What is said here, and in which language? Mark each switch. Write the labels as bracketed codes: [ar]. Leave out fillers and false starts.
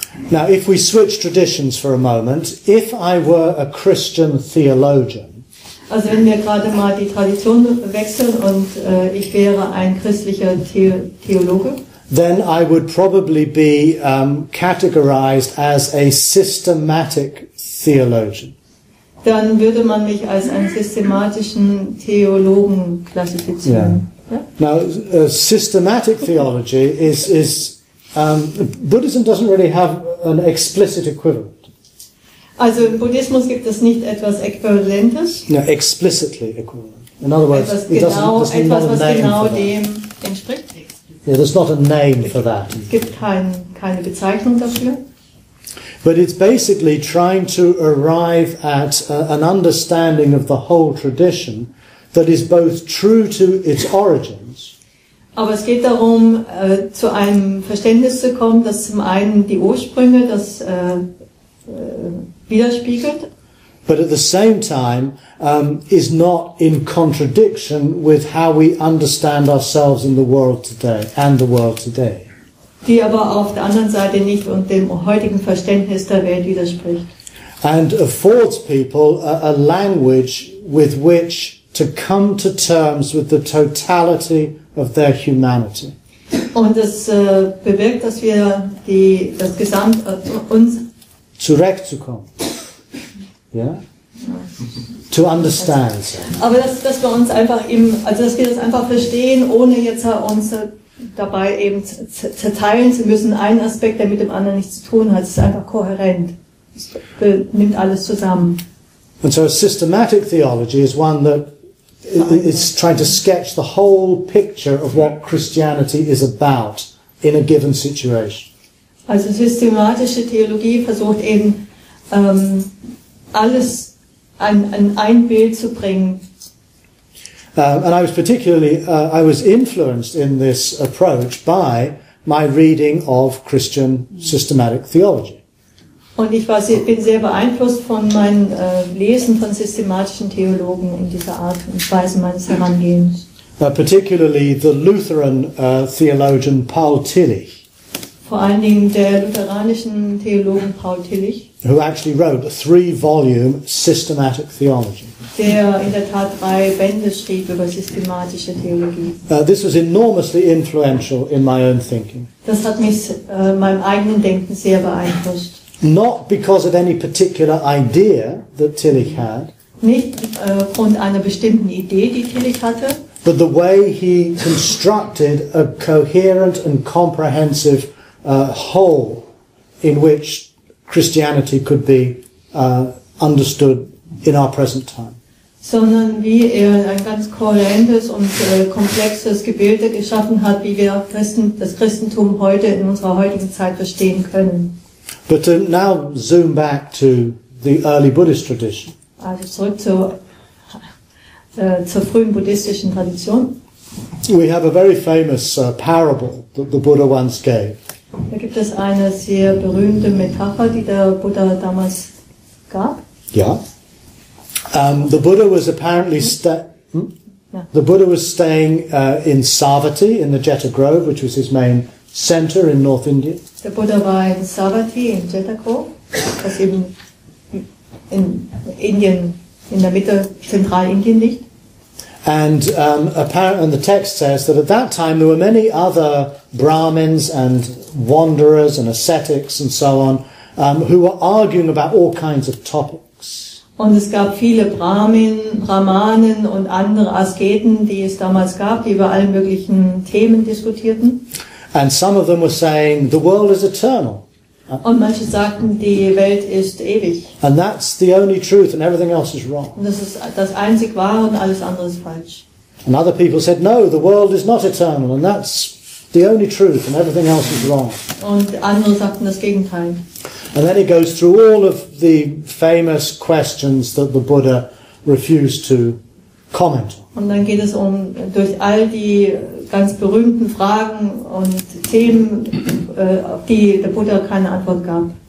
[en] Now, if we switch traditions for a moment, if I were a Christian theologian, [de] also wenn wir gerade mal die Tradition wechseln und ich wäre ein christlicher Theologe, [en] then I would probably be categorized as a systematic theologian. [de] Dann würde man mich als einen systematischen Theologen klassifizieren. [en] Yeah. Now, systematic theology is Buddhism doesn't really have an explicit equivalent. [de] Also im Buddhismus gibt es nicht etwas Äquivalentes. [en] No, explicitly equivalent. In other words, [de] etwas, was genau dem entspricht. [en] Yeah, there's not a name for that. [de] Es gibt keine Bezeichnung dafür. [en] But it's basically trying to arrive at an understanding of the whole tradition that is both true to its origins. [de] Aber es geht darum, zu einem Verständnis zu kommen, das zum einen die Ursprünge das widerspiegelt. [en] But at the same time is not in contradiction with how we understand ourselves in the world today and the world today. [de] Die aber auf der anderen Seite nicht und dem heutigen Verständnis der Welt widerspricht. [en] And affords people a language with which to come to terms with the totality of their humanity. [de] Und es bewirkt, dass wir das Gesamt uns zurechtzukommen. Ja? [en] To understand. [de] Aber dass wir uns einfach dass wir das einfach verstehen, ohne jetzt uns dabei eben zerteilen zu müssen, einen Aspekt, der mit dem anderen nichts zu tun hat. Es ist einfach kohärent. Es nimmt alles zusammen. [en] And so a systematic theology is one that is trying to sketch the whole picture of what Christianity is about in a given situation. [de] Also systematische Theologie versucht eben alles an ein Bild zu bringen. [en] And I was particularly, I was influenced in this approach by my reading of Christian systematic theology. [de] Und bin sehr beeinflusst von meinem Lesen von systematischen Theologen in dieser Art und Weise meines Herangehens. [en] Particularly the Lutheran theologian Paul Tillich. [de] Vor allen Dingen der lutheranischen Theologen Paul Tillich. [en] Who actually wrote a 3-volume systematic theology. [de] Der in der Tat 3 Bände schrieb über systematische Theologie. [en] This was enormously influential in my own thinking. [de] Das hat mich meinem eigenen Denken sehr beeinflusst. [en] Not because of any particular idea that Tillich had. [de] Nicht aufgrund einer bestimmten Idee, die Tillich hatte. [en] But the way he constructed a coherent and comprehensive whole in which Christianity could be understood in our present time. [de] sondern wie er ein ganz kohärentes und komplexes Gebilde geschaffen hat, wie wir das Christentum heute in unserer heutigen Zeit verstehen können. [en] But to now zoom back to the early Buddhist tradition. [de] Also zurück zur frühen buddhistischen Tradition. [en] We have a very famous parable that the Buddha once gave. [de] Da gibt es eine sehr berühmte Metapher, die der Buddha damals gab. Ja. [en] The Buddha was apparently the Buddha was staying in Savatthi in the Jetta Grove, which was his main center in North India. [de] Der Buddha war in Savatthi in Jetta Grove, das eben in Indien, in der Mitte Zentralindien liegt. [en] And the text says that at that time there were many other Brahmins and wanderers and ascetics and so on who were arguing about all kinds of topics. [de] Und es gab viele Brahmanen und andere Asketen, die es damals gab, die über alle möglichen Themen diskutierten. [en] And some of them were saying the world is eternal. [de] Und manche sagten, die Welt ist ewig. [en] And that's the only truth, and everything else is wrong. [de] Und das ist das einzig Wahre und alles andere ist falsch. [en] And other people said, no, the world is not eternal, and that's the only truth, and everything else is wrong. [de] Und andere sagten das Gegenteil. [en] And then it goes through all of the famous questions that the Buddha refused to comment on. [de] Und dann geht es um durch all die ganz berühmten Fragen und Themen, auf die der Buddha keine Antwort gab.